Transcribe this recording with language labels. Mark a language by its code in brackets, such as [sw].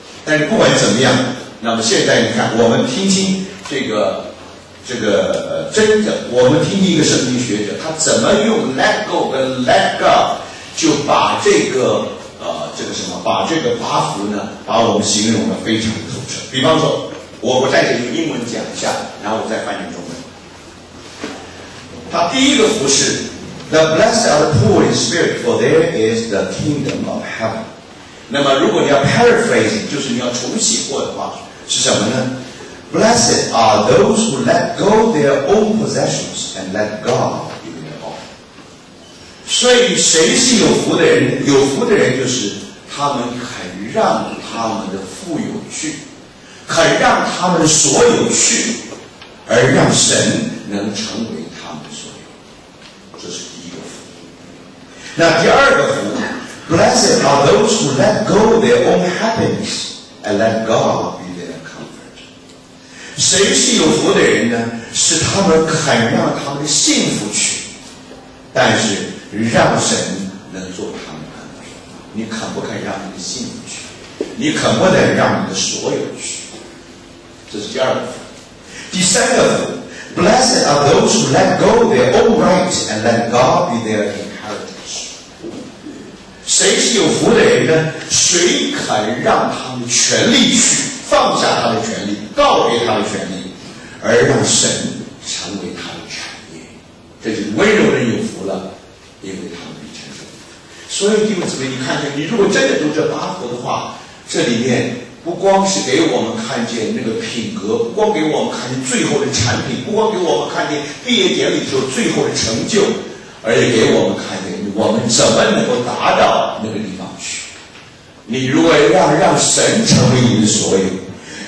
[zh] 但是不管怎么样，那么现在你看，我们听听我们听听一个圣经学者，他怎么用 let go 跟 let God 就把这个八福呢，把我们形容的非常透彻。比方说，我在这里用英文讲一下，然后我再翻译中文。他第一个福是 [en] The blessed are the poor in spirit, for there is the kingdom of heaven。 [zh] 那么如果你要 paraphrase， 就是你要重写过的话，是什么呢？ [en] Blessed are those who let go their own possessions and let God。 [zh] 所以谁是有福的人？有福的人就是他们肯让他们的富有去，肯让他们的所有去，而让神能成为他们的所有。这是第一个福。那第二个福， [en] Blessed are those who let go their own happiness and let God be their comfort。 [zh] 谁是有福的人呢？是他们肯让他们的幸福去，但是让神能做他们的主。你肯不肯让你的幸福去？你肯不能让你的所有去？这是第二个福。第三个福， [en] Blessed are those who let go their own right and let God be their inheritance。 [zh] 谁是有福的人呢？谁肯让他们权利去，放下他的权利，告别他的权利，而让神成为他的产业。这就是温柔人有福了，因为他们比成熟。所以弟兄姊妹，你看看，你如果真的读这八福的话，这里面不光是给我们看见那个品格，不光给我们看见最后的产品，不光给我们看见毕业典礼之后最后的成就，而且给我们看见我们怎么能够达到那个地方去。你如果要让神成为你的所有，